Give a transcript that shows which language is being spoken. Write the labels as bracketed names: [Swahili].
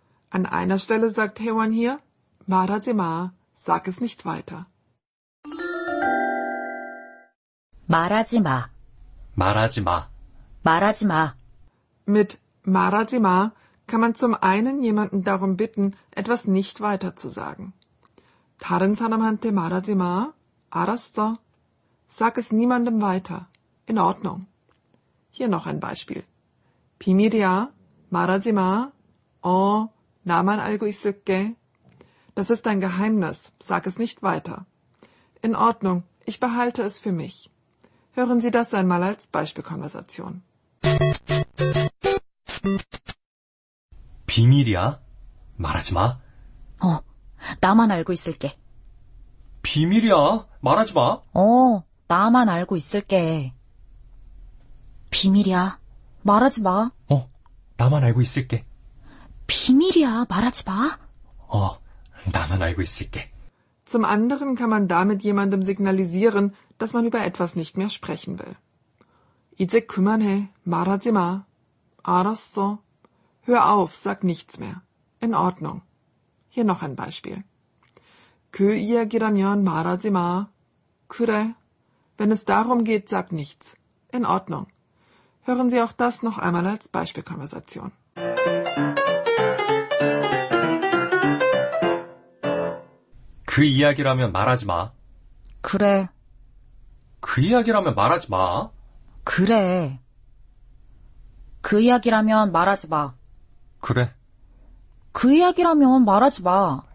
[German] An einer Stelle sagt Hae-won hier, [Korean] 말하지 마, [German] sag es nicht weiter. [Korean] 말하지 마, 말하지 마, 말하지 마. [German] Mit [Korean] 말하지 마 [German] kann man zum einen jemanden darum bitten, etwas nicht weiter zu sagen. [Korean] 다른 사람한테 말하지 마, 알았어. [German] Sag es niemandem weiter. In Ordnung. Hier noch ein Beispiel. [Korean] 비밀이야, 말하지 마, 어, 나만 알고 있을게. [German] Das ist ein Geheimnis, sag es nicht weiter. In Ordnung, ich behalte es für mich. Hören Sie das einmal als Beispielkonversation. [Korean] 비밀이야? 말하지 마. 어, 나만 알고 있을게. 비밀이야? 말하지 마. 어, 나만 알고 있을게. 비밀이야? 말하지 마. 어, 나만 알고 있을게. 비밀이야? 말하지 마. 어, 나만 알고 있을게. [German] Zum anderen kann man damit jemandem signalisieren, dass man über etwas nicht mehr sprechen will. [Korean] 이제 그만해. 말하지 마. 알았어. [German] Hör auf, sag nichts mehr. In Ordnung. Hier noch ein Beispiel. [Korean] 그 이야기라면 말하지 마. 그래. [German] Wenn es darum geht, sag nichts. In Ordnung. Hören Sie auch das noch einmal als Beispielkonversation. [Korean] 그 이야기라면 말하지 마. 그래. 그 이야기라면 말하지 마. 그래. 그 이야기라면 말하지 마. 그래. 그 이야기라면 말하지 마.